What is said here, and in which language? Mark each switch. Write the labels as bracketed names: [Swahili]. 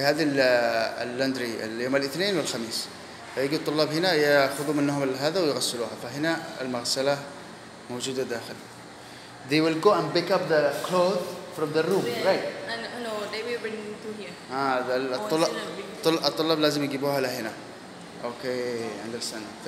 [Arabic] هذه اللندري اليوم الاثنين والخميس. فيجي الطلاب هنا ياخذوا منهم هذا ويغسلوها، فهنا المغسلة موجودة داخل. [English] They will go and pick up the clothes from the room, right? No, no, they will bring to here. [Arabic] هذا الطلاب لازم يجيبوها لهنا. [English] Okay, understand.